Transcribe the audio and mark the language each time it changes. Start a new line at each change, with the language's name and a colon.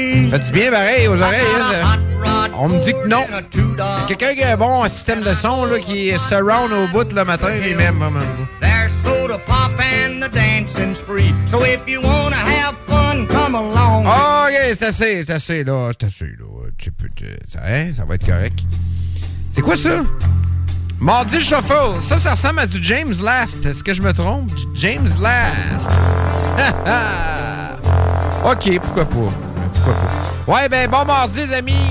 French: Fait du bien pareil aux oreilles. On me dit que non. Quelqu'un qui a un bon système de son là, qui est surround au bout le matin, les mêmes.
English: There's soda pop and the dancing spree. So if you wanna have fun, come along.
French: Ok, c'est assez là. Tu peux te... ça, hein, ça va être correct. C'est quoi ça? Mardi Shuffle, ça ressemble à du James Last. Est-ce que je me trompe? James Last. OK, pourquoi pas? Pourquoi pas? Ouais, ben bon mardi, les amis.